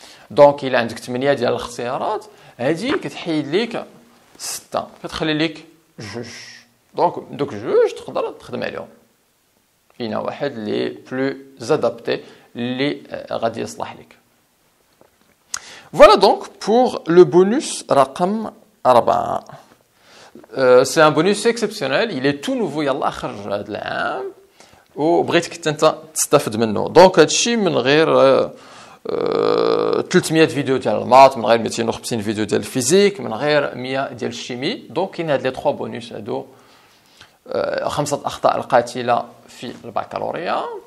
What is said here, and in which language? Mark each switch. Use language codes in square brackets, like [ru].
[ar] دونك الى عندك 8 ديال الاختيارات، هادي كتحيد لك 6، كتخلي لك جوج. دونك دوك جوج تقدر تخدم عليهم، فينا واحد لي بلو زادابتي لي غادي يصلح لك. [fr] Voilà donc pour le bonus رقم 4. C'est un bonus exceptionnel, il est tout nouveau, [ar] يلا خرج هذا العام وبغيتك حتى انت تستفد منه. دونك هادشي من غير 300 فيديو ديال المات، من غير 250 فيديو ديال الفيزيك، من غير 100 ديال الشيمي. دونك كاين هاد لي 3 بونوس هادو، خمسة اخطاء القاتلة في البكالوريا.